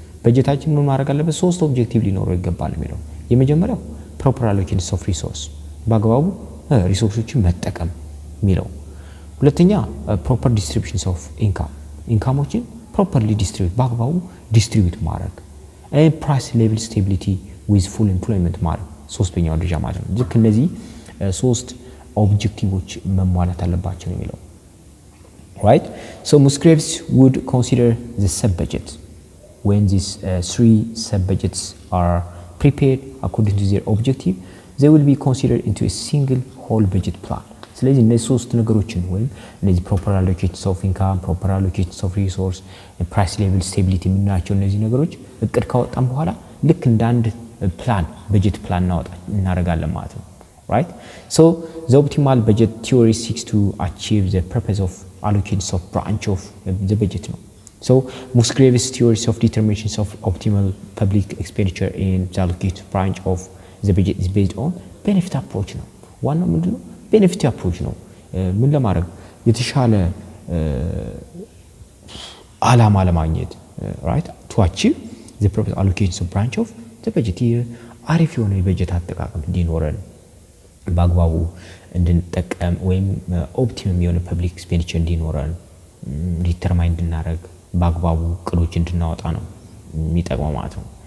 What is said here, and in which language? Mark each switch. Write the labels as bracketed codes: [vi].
[am] በጀታችን ምን ማድረግ አለበት ሶስት ኦብጀክቲቭ ሊኖረው ይገባል የሚለው። የመጀመሪያው [en] proper allocation of resource [am] በአግባቡ ሪሶርሶችን መጠቀም የሚለው። ሁለተኛ [en] proper distribution of income [am] ኢንካሞችን properly distribute በአግባቡ distribute ማድረግ። [en] And price level stability with full employment [am] ማድረግ ሶስተኛው ደረጃ ማለት ነው። ልክ እነዚህ ሶስት ኦብጀክቲቭዎች መሟላት አለባቸው የሚለው right. [en] So Musgrave's would consider the sub budget when these three sub budgets are prepared according to their objective they will be considered into a single whole budget plan. [am] ስለዚህ እነዚህ ሶስት ነገሮችን ወይም እነዚህ [en] proper allocation of income proper allocation of resource and price level stability [am] የምናቸው እነዚህ ነገሮች እቅድ ካወጣን በኋላ ልክ እንደ አንድ ፕላን budget plan እናረጋለን ማለት ነው። [en] Right, so the optimal budget theory seeks to achieve the purpose of allocation of branch of the budget. So Musgrave's theories of determinations of optimal public expenditure in the allocated branch of the budget is based on benefit approach. One of the benefit approach no [am] ምን ለማድረግ የተሻለ አላማ ለማግኘት [en] right to achieve the purpose of allocation of branch of the budget here [am] አሪፍ የሆነ የበጀት አጠቃቀም እንዲኖረን ባግባቡ እንድንጠቀም ወይም ኦፕቲመም የሆነ ፐብሊክ ኤክስፔንዲቸር እንዲኖረን ዲተርማይን እንድናረግ ባግባቡ ቅዶች እንድናወጣ ነው የሚጠቅመው ማለት ነው።